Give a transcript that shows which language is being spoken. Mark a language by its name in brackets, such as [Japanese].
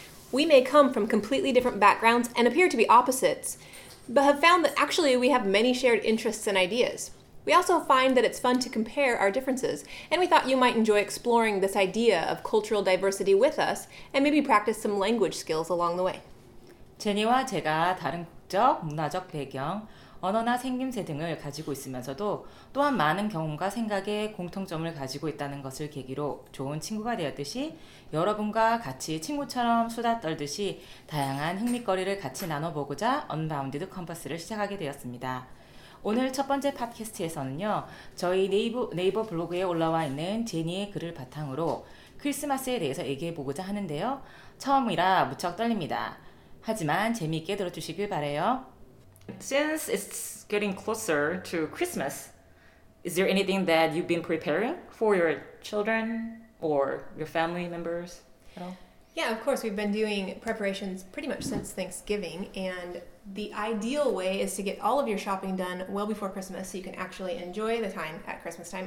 [English] We may come from completely different backgrounds and appear to be opposites, but have found that actually we have many shared interests and ideas. We also find that it's fun to compare our differences, and we thought you might enjoy exploring this idea of cultural diversity with us and maybe practice some language skills along the way. [Korean] 제니와 제가 다른 국적, 문화적 배경, 언어나 생김새 등을 가지고 있으면서도 또한 많은 경험과 생각에 공통점을 가지고 있다는 것을 계기로 좋은 친구가 되었듯이 여러분과 같이 친구처럼 수다 떨듯이 다양한 흥미거리를 같이 나눠보고자 언바운디드 컴퍼스를 시작하게 되었습니다. 오늘 첫 번째 팟캐스트에서는요, 저희 네이버 블로그에 올라와 있는 제니의 글을 바탕으로 크리스마스에 대해서 얘기해보고자 하는데요. 처음이라 무척 떨립니다. 하지만 재미있게 들어주시길 바래요. [English] Since it's getting closer to Christmas, is there anything that you've been preparing for your children or your family members at all? Yeah, of course. We've been doing preparations pretty much since Thanksgiving, and the ideal way is to get all of your shopping done well before Christmas so you can actually enjoy the time at Christmas time.